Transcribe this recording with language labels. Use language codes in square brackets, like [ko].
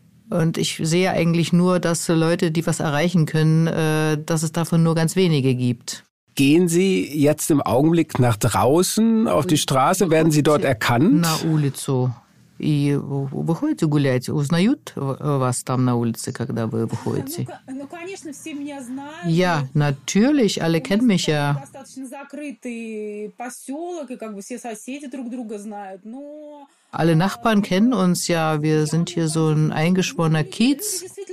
[de] Und ich sehe eigentlich nur, dass Leute, die was erreichen können, dass es davon nur ganz wenige gibt. Gehen Sie jetzt im Augenblick nach draußen auf die Straße? Werden Sie dort erkannt? [ru] Na улицу. И выходите гулять, узнают вас там на улице, когда вы выходите? Ну, конечно, все меня знают. [de] Ja, natürlich, alle kennen mich ja. [ru] Достаточно закрытый поселок, и как бы все соседи друг друга знают, но... [de] Alle Nachbarn kennen uns ja, wir sind hier so ein eingeschworener Kiez.